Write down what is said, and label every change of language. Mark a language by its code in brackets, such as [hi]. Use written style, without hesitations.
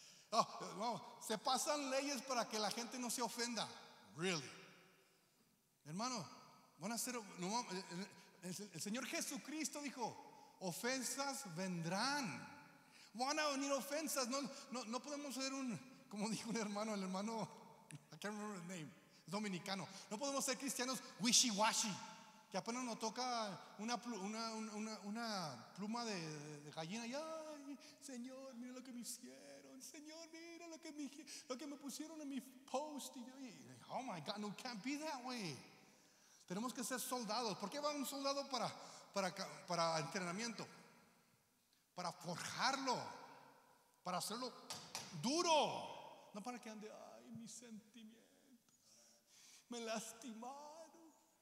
[es] No, se pasan leyes para que la gente no se ofenda. [en] Really? [es] Hermano, van a ser. No, el Señor Jesucristo dijo: ofensas vendrán. Van a venir ofensas. No podemos ser un. Como dijo el hermano. [en] I can't remember his name. [es] Dominicano. No podemos ser cristianos [en] wishy-washy. [es] Que apenas nos toca una pluma de gallina y ay, Señor, mira lo que me hicieron. llegaron. Señor, mira lo que me pusieron en mi post. Y yo, [en] oh my God, no can't be that way. [es] Tenemos que ser soldados. ¿Por qué va un soldado para entrenamiento? Para forjarlo, para hacerlo duro, no para que ande, ay, mis sentimientos, me lastimaron.